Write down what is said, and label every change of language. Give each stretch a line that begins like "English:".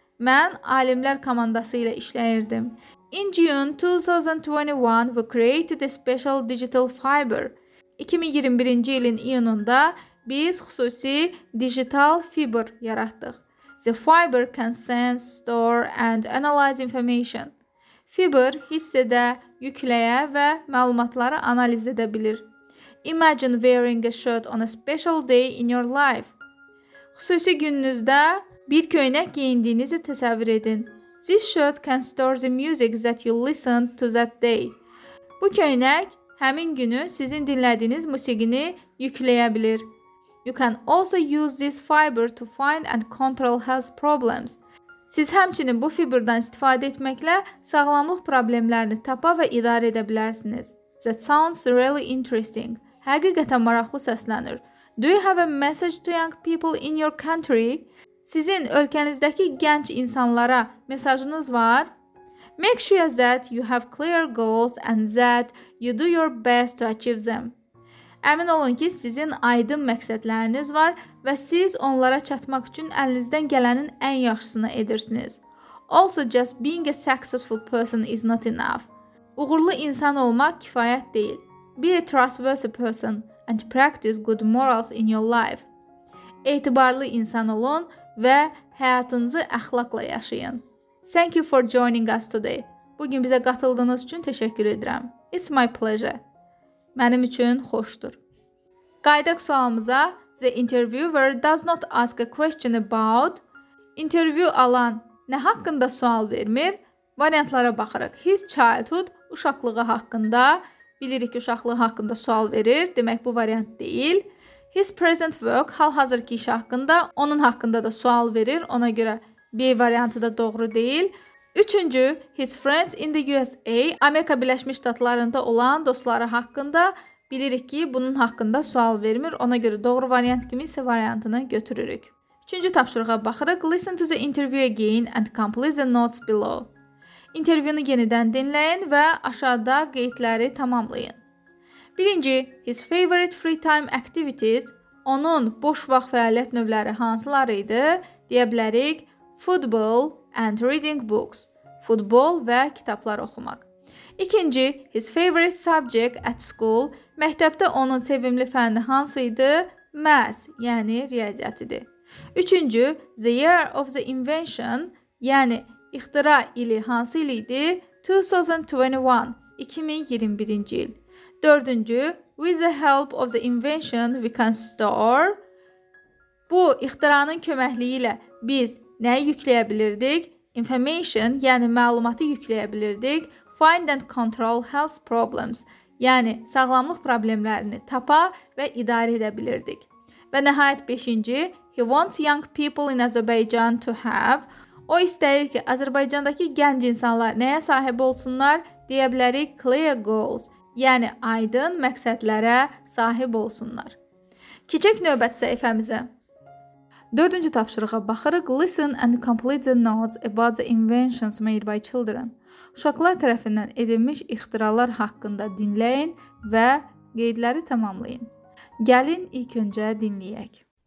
Azerbaijani: Mən alimlər komandası ilə işləyirdim.
English: In June 2021, we created a special digital fiber.
Azerbaijani: 2021-ci ilin iyununda biz xüsusi digital fiber yaratdıq.
English: The fiber can sense, store and analyze information.
Azerbaijani: Fiber hissədə, yükləyə və məlumatları analiz edə bilir.
English: Imagine wearing a shirt on a special day in your life.
Azerbaijani: Xüsusi gününüzdə bir köynək geyindiyinizi təsəvvür edin.
English: This shirt can store the music that you listened to that day.
Azerbaijani: Bu köynək həmin günü sizin dinlədiyiniz musiqini yükləyə bilir.
English: You can also use this fiber to find and control health problems.
Azerbaijani: Siz həmçinin bu fiberdən istifadə etməklə sağlamlıq problemlərini tapa və idarə edə bilərsiniz.
English: That sounds really interesting.
Azerbaijani: Həqiqətən maraqlı səslənir.
English: Do you have a message to young people in your country?
Azerbaijani: Sizin ölkənizdəki gənc insanlara mesajınız var?
English: Make sure that you have clear goals and that you do your best to achieve them.
Azerbaijani: Əmin olun ki, sizin aydın məqsədləriniz var və siz onlara çatmaq üçün əlinizdən gələnin ən yaxşısını edirsiniz.
English: Also, just being a successful person is not enough.
Azerbaijani: Uğurlu insan olmaq kifayət deyil.
English: Be a trustworthy person and practice good morals in your life.
Azerbaijani: Etibarlı insan olun və həyatınızı əxlaqla yaşayın.
English: Thank you for joining us today.
Azerbaijani: Bugün bizə qatıldığınız üçün təşəkkür edirəm.
English: It's my pleasure.
Azerbaijani: Mənim üçün xoşdur. Qayıdaq sualımıza.
English: The interviewer does not ask a question about.
Azerbaijani: İnterviu alan nə haqqında sual vermir? Variantlara baxırıq.
English: His childhood,
Azerbaijani: uşaqlığı haqqında. Bilirik ki, uşaqlığı haqqında sual verir. Demək, bu variant deyil.
English: His present work,
Azerbaijani: hal-hazırki iş haqqında. Onun haqqında da sual verir. Ona görə B variantı da doğru deyil. Üçüncü,
English: his friends in the USA,
Azerbaijani: Amerika Birləşmiş Ştatlarında olan dostları haqqında bilirik ki, bunun haqqında sual vermir. Ona görə doğru variant kimi isə variantını götürürük. Üçüncü tapşırığa baxırıq.
English: Listen to the interview again and complete the notes below.
Azerbaijani: İnterviyonu yenidən dinləyin və aşağıda qeydləri tamamlayın. Birinci,
English: his favorite free time activities,
Azerbaijani: onun boş vaxt fəaliyyət növləri hansılar idi? Deyə bilərik,
English: football and reading books,
Azerbaijani: futbol və kitablar oxumaq. İkinci,
English: his favorite subject at school,
Azerbaijani: məktəbdə onun sevimli fəni hansı idi? Math, yəni riyaziyyat idi. Üçüncü,
English: the year of the invention,
Azerbaijani: yəni ixtira ili hansı il idi? 2021, 2021-ci il.
English: Dördüncü, with the help of the invention, we can store.
Azerbaijani: Bu ixtiranın köməkliyi ilə biz nəyi yükləyə bilirdik? Information, yəni məlumatı yükləyə bilirdik.
English: Find and control health problems,
Azerbaijani: yəni sağlamlıq problemlərini tapa və idarə edə bilirdik. Və nəhayət 5-ci,
English: he wants young people in Azerbaijan to have.
Azerbaijani: O istəyir ki, Azərbaycandakı gənc insanlar nəyə sahib olsunlar? Deyə bilərik,
English: clear goals,
Azerbaijani: yəni aydın məqsədlərə sahib olsunlar. Keçək növbət səhifəmizə. Dördüncü tapşırığa baxırıq.
English: Listen and complete the notes about the inventions made by children.
Azerbaijani: Uşaqlar tərəfindən edilmiş ixtiralar haqqında dinləyin və qeydləri tamamlayın. Gəlin ilk öncə dinləyək.